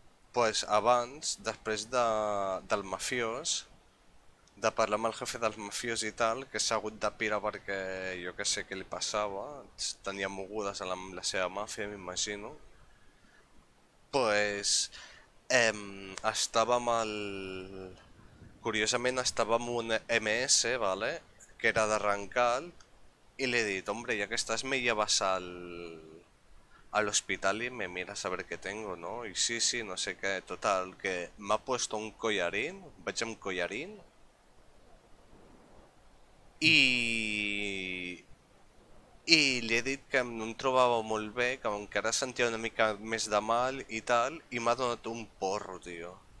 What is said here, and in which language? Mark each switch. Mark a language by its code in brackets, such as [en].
[ca] Pues abans, després del mafiós, de parlar amb el jefe del mafiós i tal, que s'ha hagut de pirar perquè jo que sé què li passava, tenia mogudes amb la seva màfia, m'imagino. Pues... estava amb el... Curiosament estava amb un MS, vale? Que era d'arrencar i li he dit, [es] hombre, ya que estás me llevas al hospital y me miras a ver qué tengo, ¿no? Y sí, no sé qué, total, que me ha puesto un collarín, [ca] vaig amb collarín i li he dit que no em trobava molt bé, que encara sentia una mica més de mal i tal, i m'ha donat un porro, tio.